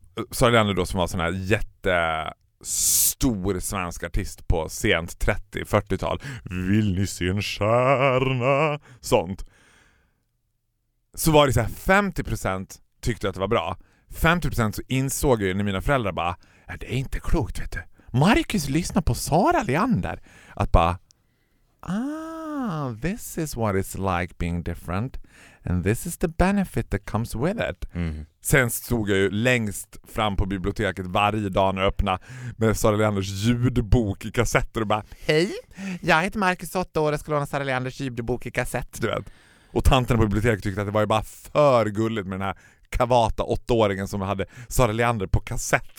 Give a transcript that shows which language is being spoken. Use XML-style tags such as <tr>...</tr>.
<sv>Sara Leander då, som var sån här jätte... stor svensk artist på sent 30-40-tal. Vill ni se en stjärna? Sånt. Så var det så här, 50% tyckte att det var bra. 50% så insåg jag när mina föräldrar bara, ja, det är inte klokt, vet du. Marcus lyssnar på Sara Leander. Att bara,</sv> <en>ah, this is what it's like being different. And this is the benefit that comes with it. Mm.</en> <sv>Sen stod jag ju längst fram på biblioteket varje dag när jag öppnade med Sara Leanders ljudbok i kassetter och bara, hej, jag heter Marcus, 8 år, och ska låna Sara Leanders ljudbok i kassett. Du vet. Och tanten på biblioteket tyckte att det var ju bara för gulligt med den här kavata 8-åringen som hade Sara Leander på kassett.</sv>